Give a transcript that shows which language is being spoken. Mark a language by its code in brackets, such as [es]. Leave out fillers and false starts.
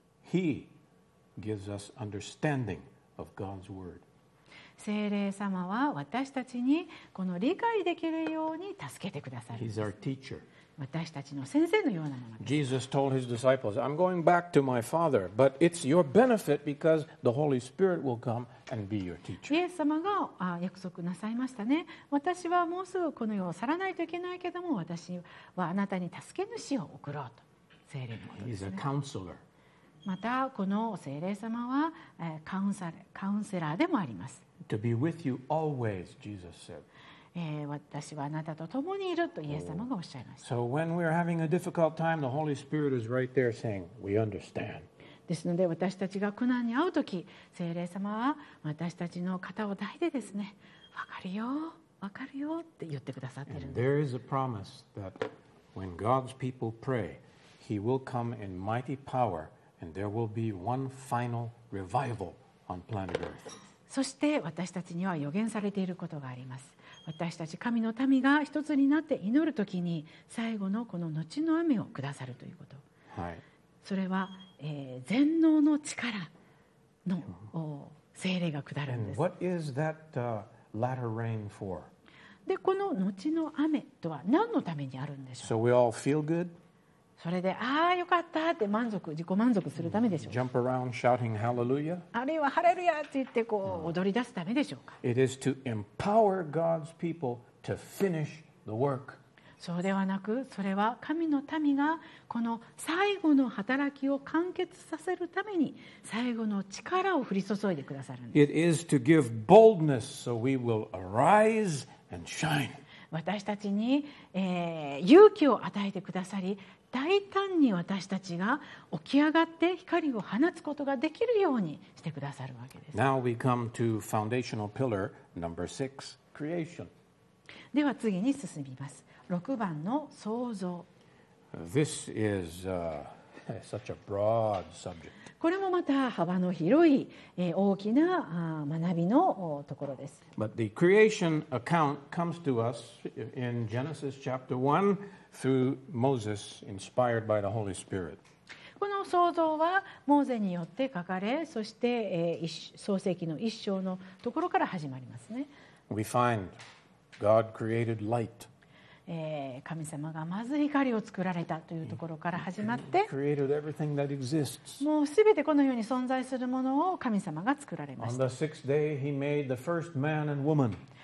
[en] He gives us understanding of God's word. [ja] 聖霊様は私たちにこの理解できるように助けてくださる。 [en] He's our teacher. [ja] 私たちの先生のようなものです。 [en] Jesus told his disciples, I'm going back to my Father, but it's your benefit because the Holy Spirit will come and be your teacher. [ja] イエス様が約束なさいましたね。私はもうすぐこの世を去らないといけないけども、私はあなたに助け主を送ろうと。聖霊のことですね。 [en] He's a counselor. [ja] またこの聖霊様はカウンセラーでもあります。 [en] To be with you always, Jesus said. [ja] 私はあなたと共にいるとイエス様がおっしゃいました。 [en] So when we are having a difficult time, the Holy Spirit is right there saying, "We understand." [ja] ですので私たちが苦難に遭うとき、聖霊様は私たちの肩を抱いてですね、わかるよ、わかるよって言ってくださっているんです。 [en] There is a promise that when God's people pray, He will come in mighty power, and there will be one final revival on planet Earth. [ja] そして私たちには予言されていることがあります。私たち神の民が一つになって祈るときに最後のこの後の雨を下さるということ、はい、それは、全能の力の聖霊が下るんです。 [en] What is that, latter rain for? [ja] でこの後の雨とは何のためにあるんでしょう。 [en] So we all feel good? [ja] それでああよかったって満足、自己満足するためでしょう。 [en] Jump around shouting hallelujah? [ja] あるいはハレルヤって言ってこう踊り出すためでしょうか。 [en] It is to empower God's people to finish the work. [ja] そうではなく、それは神の民がこの最後の働きを完結させるために最後の力を降り注いでくださるんです。 [en] It is to give boldness so we will arise and shine. [ja] 私たちに、勇気を与えてくださり、大胆に私たちが起き上がって光を放つことができるようにしてくださるわけです。 [en] Now we come to foundational pillar number six, creation. [ja] では次に進みます。6番の創造。 [en] This is such a broad subject. [ja] これもまた幅の広い大きな学びのところです。 [en] But the creation account comes to us in Genesis chapter 1. Through Moses, inspired by the Holy Spirit. [ja] この創造はモーゼによって書かれ、そして創世記の一章のところから始まりますね。 [en] We find God created light. [ja] 神様がまず光を作られたというところから始まって、 [en] He created everything that exists. [ja] もうすべてこの世に存在するものを神様が作られました。 [en] On the sixth day, He made the first man and woman.